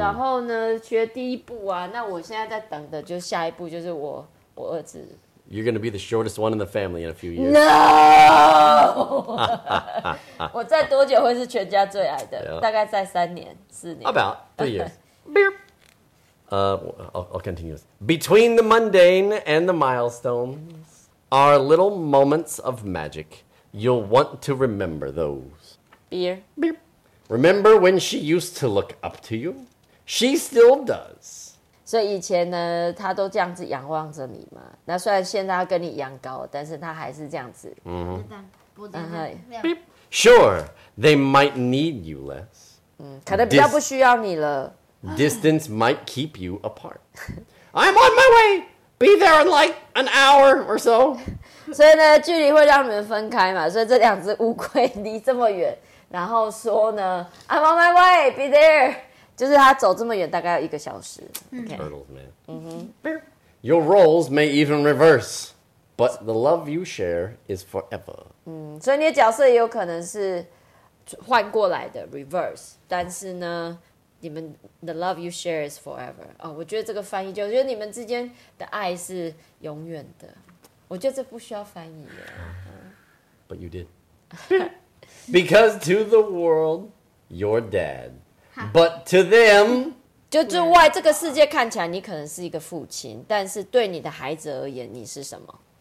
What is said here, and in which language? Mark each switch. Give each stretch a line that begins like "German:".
Chinese: 然后呢学第一步啊那我现在在等的就下一步就是我儿子。
English: You're going to be the shortest one in the family in a few years. No!
Chinese: 我在多久会是全家最矮的、yeah. 大概在三年四年。
English: About 3 years. Beep. I'll continue this. Between the mundane and the milestones are little moments of magic. You'll want to remember those. Beer. Beep. Remember when she used to look up to you? She still does.
Chinese: 所以以前呢，他都这样子仰望着你嘛。那虽然现在他跟你一样高，但是他还是这样子。嗯、mm-hmm.
English: uh-huh. Beep. Sure, they might need you less.
Chinese: 嗯，可能比较不需要你了。
English: Distance might keep you apart. I'm on my way. Be there in like an hour or so.
Chinese: 所以呢，距离会让你们分开嘛。所以这两只乌龟离这么远，然后说呢 ，
English: I'm on my way. Be there.
Chinese: 就是他走这么远大概要一个小时、okay.
English: Turtles, man、mm-hmm. Your roles may even reverse But the love you share is forever、
Chinese: 嗯、所以你的角色也有可能是换过来的 Reverse 但是呢你们
English: The love you share is forever、
Chinese: 哦、我觉得这个翻译就我觉得你们之间的爱是永远的我觉得这不需要翻译耶、
English: But you did Because to the world Your dadBut to them,
Chinese: 就之外，这个世界看起来你可能是一个父亲，但是对你的孩子而言，你是什么